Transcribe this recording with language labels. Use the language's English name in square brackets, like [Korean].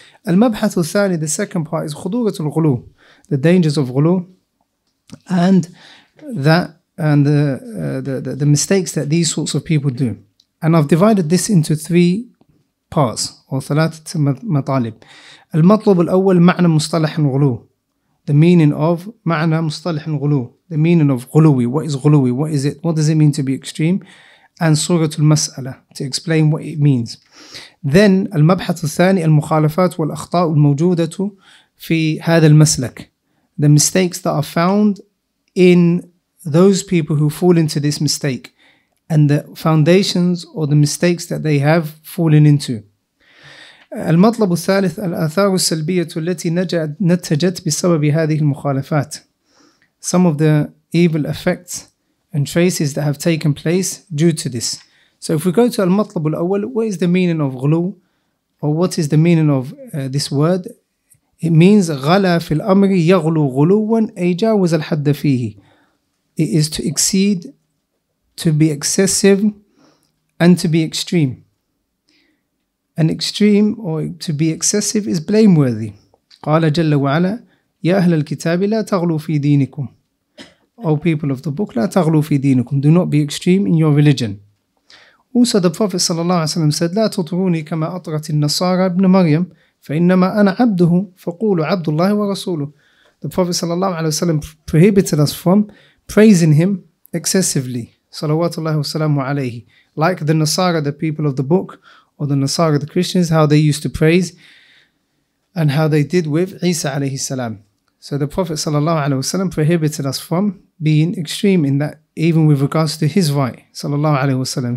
[Arabic] Al-mabhath al-thani, [English] the second part, is [Arabic] khudurat al-ghulu, [English] the dangers of ghulu, and the mistakes that these sorts of people do. And I've divided this into three parts, or [Arabic] ثلاثة مطالب. المطلب الأول معنى مصطلح الغلو. [English] The meaning of [Arabic] معنى مصطلح الغلو. [English] The meaning of غلوي. What is غلوي? What is it? What does it mean to be extreme? And [Arabic] سورة المسألة, [English] to explain what it means. Then [Arabic] المبحث الثاني المخالفات والأخطاء الموجودة في هذا المسلك. [English] The mistakes that are found in those people who fall into this mistake, and the foundations or the mistakes that they have fallen into. [Arabic] المطلب الثالث الآثار السلبية التي نتجت بسبب هذه المخالفات. [English] Some of the evil effects and traces that have taken place due to this. So if we go to [Arabic] المطلب الأول, [English] what is the meaning of غلو, or what is the meaning of this word? It means [Arabic] غلا في الأمر يغلو غلوا أي جاوز الحد فيه. [English] It is to exceed, to be excessive, and to be extreme. An extreme or to be excessive is blameworthy. [Arabic] قال جل وعلا يا أهل الكتاب لا تغلو في دينكم. [English] O people of the book, [Arabic] لا تغلو في دينكم. [English] Do not be extreme in your religion. Also the Prophet [Arabic] صلى الله عليه وسلم [English] said [Arabic] لا تطروني كما أطرت النصارى ابن مريم فإنما أنا عبده فقولوا عبد الله ورسوله. [English] The Prophet صلى الله عليه وسلم prohibited us from praising him excessively, [Arabic] salawatullahi wa salamu alayhi, [English] like the Nasara, the people of the book, or the Nasara, the Christians, how they used to praise and how they did with Isa alayhi salam. So the Prophet sallallahu alayhi wa salam prohibited us from being extreme in that, even with regards to his right, sallallahu alayhi wa salam.